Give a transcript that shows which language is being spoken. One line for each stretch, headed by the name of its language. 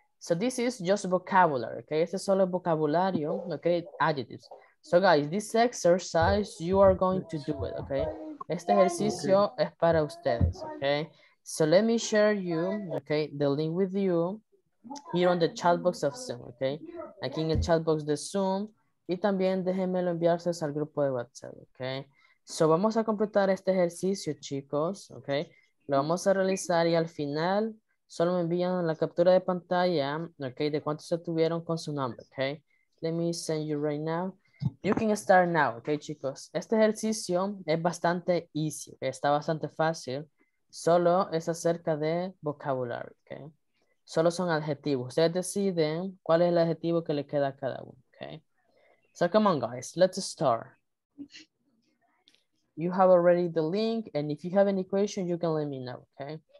English: So, this is just vocabulary, okay?
Spanish: Este es solo vocabulario,
English: okay, adjectives. So, guys, this exercise, you are going to do it, okay?
Spanish: Este ejercicio okay. Es para ustedes,
English: okay? So, let me share you, okay, the link with you here on the chat box of Zoom, okay?
Spanish: Aquí en el chat box de Zoom. Y también déjenmelo enviarse al grupo de WhatsApp, ¿ok? So, vamos a completar este ejercicio, chicos, ¿ok? Lo vamos a realizar y al final solo me envían la captura de pantalla, ¿ok? De cuántos se tuvieron con su nombre, ¿ok?
English: Let me send you right now. You can start now, ¿ok, chicos?
Spanish: Este ejercicio es bastante easy, ¿okay? Está bastante fácil. Solo es acerca de vocabulary, ¿ok? Solo son adjetivos. Ustedes deciden cuál es el adjetivo que le queda a cada uno, ¿ok?
English: So come on guys, let's start. You have already the link and if you have any question, you can let me know, okay?